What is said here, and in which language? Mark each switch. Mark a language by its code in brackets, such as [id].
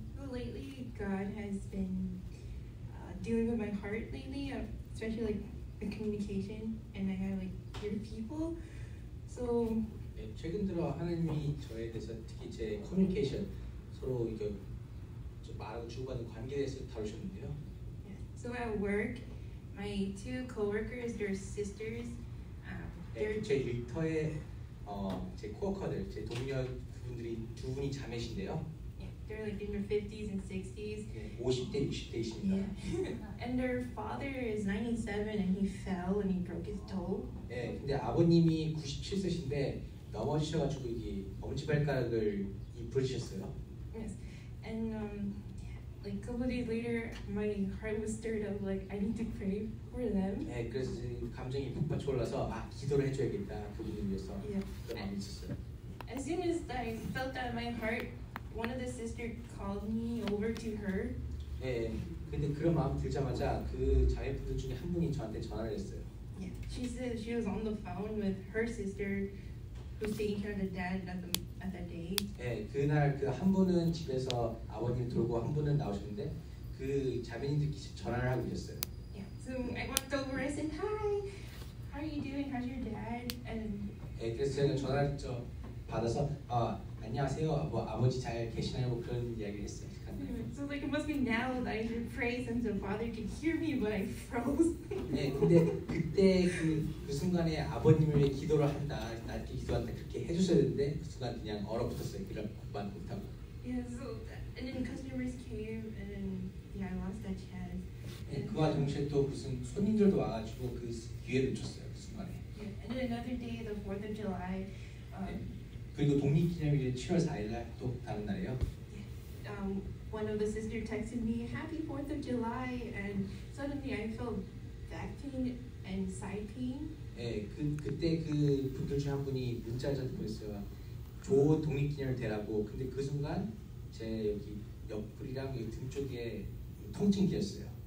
[en] Lately, God has been dealing with my heart lately, especially like the communication, and I have like dear people. So, [ko] 최근 들어 하나님이 저에 대해서 특히 제 커뮤니케이션 서로 이게 [en] So at work, my two co-workers, their sisters, they're like in their 50s and 60s. [ko] 50대, 60대이십니다. [en] Yeah. And their father is 97 and he fell and he broke his toe. [ko] 예, 근데 아버님이 97세신데 넘어지셔가지고 이게 엄지발가락을 부러지셨어요. [en] Yes. And like a couple of days later, my heart was stirred up. Like I need to pray for them. [ko] 네, 그래서 감정이 폭발쳐올라서 아 기도를 해줘야겠다 그분을 위해서. [en] Yeah. As soon as I felt that in my heart, one of the sisters called me over to her. [ko] 네, 근데 그런 마음 들자마자 그 자매분들 중에 한 분이 저한테 전화를 했어요. [en] Yeah. She said she was on the phone with her sister, who's taking care of the dad at the. At that day. [ko] 네, 그날 그 한 분은 집에서 아버님 들어오고 한 분은 나오셨는데 그 자매님들께 전화를 하고 계셨어요. [en] Yeah. So I walked over and said, "Hi, how are you doing? How's your dad?" And [ko] 네, 그래서 제가 전화를 좀 받아서 안녕하세요. 뭐 아버지 잘 계시나요? 그런 이야기를 했어요. [en] So like it must be now that I should pray since the father can hear me, but I froze. [ko] 네, 근데 그때 그 순간에 아버님을 위해 기도를 한다, 나한테 기도한다 그렇게 해주셔야 되는데 그 순간 그냥 얼어붙었어요. 그런 말 못하고. [en] Yeah, so and then customers came and yeah, I lost that chance. [ko] 네, 그와 동시에 또 무슨 손님들도 와가지고 그 기회를 줬어요 그 순간에. [en] Yeah, and then another day, the 4th of July. [ko] 네, 그리고 독립기념일 7월 4일날 또 다른 날이요. [en] One of the sisters texted me, "Happy 4th of July," and suddenly I felt back pain and side pain. [ko] 예, 그 그때 그 분들 중 한 분이 문자 저한테 보냈어요. 좋은 독립기념일 되라고. 근데 그 순간 제 여기 옆구리랑 이 등 쪽에 통증 기였어요.